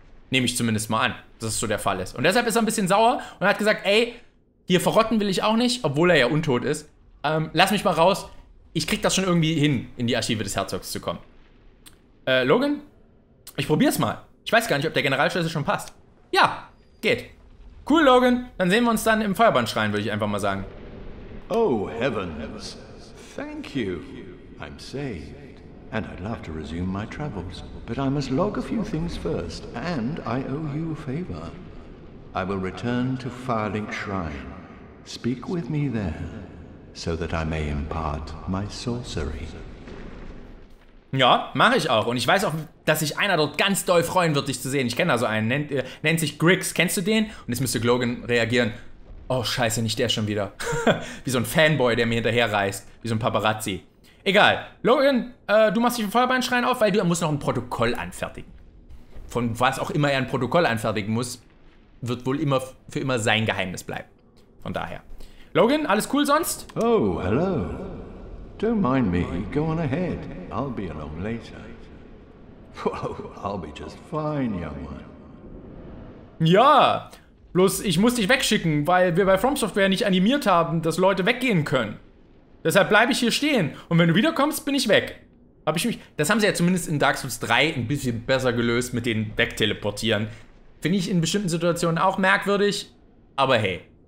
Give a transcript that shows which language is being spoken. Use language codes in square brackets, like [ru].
[de] Nehme ich zumindest mal an, dass es so der Fall ist. Und deshalb ist er ein bisschen sauer und hat gesagt, ey, hier verrotten will ich auch nicht, obwohl er ja untot ist. Lass mich mal raus, ich krieg das schon irgendwie hin, in die Archive des Herzogs zu kommen. Logan, ich probier's mal. Ich weiß gar nicht, ob der Generalschlüssel schon passt. Ja, geht. Cool, Logan, dann sehen wir uns dann im Feuerbandschrein, würde ich einfach mal sagen. [en] Oh, heavens, thank you, I'm saved. And I'd love to resume my travels, but I must log a few things first, and I owe you a favor. I will return to Firelink Shrine. Speak with me there, so that I may impart my sorcery. [de] Ja, mache ich auch. Und ich weiß auch, dass sich einer dort ganz doll freuen wird, dich zu sehen. Ich kenne da so einen, nennt sich Griggs. Kennst du den? Und jetzt müsste Logan reagieren. Oh, scheiße, nicht der schon wieder. Wie so ein Fanboy, der mir hinterherreist. Wie so ein Paparazzi. Egal, Logan, du machst dich im Feuerbeinschrein auf, weil du musst noch ein Protokoll anfertigen. Von was auch immer er ein Protokoll anfertigen muss, wird wohl immer für immer sein Geheimnis bleiben. Von daher. Logan, alles cool sonst? [en] Oh, hello. Don't mind me. Go on ahead. I'll be along later. Whoa, I'll be just fine, young one. [de] Ja, bloß ich muss dich wegschicken, weil wir bei From Software nicht animiert haben, dass Leute weggehen können. Deshalb bleibe ich hier stehen. Und wenn du wiederkommst, bin ich weg. Hab ich mich. Das haben sie ja zumindest in Dark Souls 3 ein bisschen besser gelöst mit den Wegteleportieren. Finde ich in bestimmten Situationen auch merkwürdig. Aber hey.